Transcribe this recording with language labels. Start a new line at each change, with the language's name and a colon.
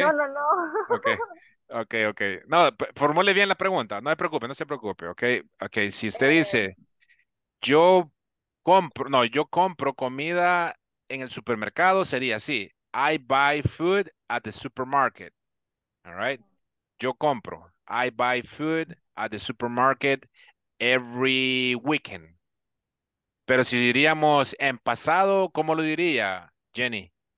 Spanish: No. Ok. No, formule bien la pregunta. No se preocupe. Ok, si usted dice, yo compro comida en el supermercado, sería así.
English: I buy food at the supermarket. All right?
Spanish: Yo compro.
English: I buy food at the supermarket every weekend.
Spanish: Pero si diríamos en pasado, ¿cómo lo diría, Jenny?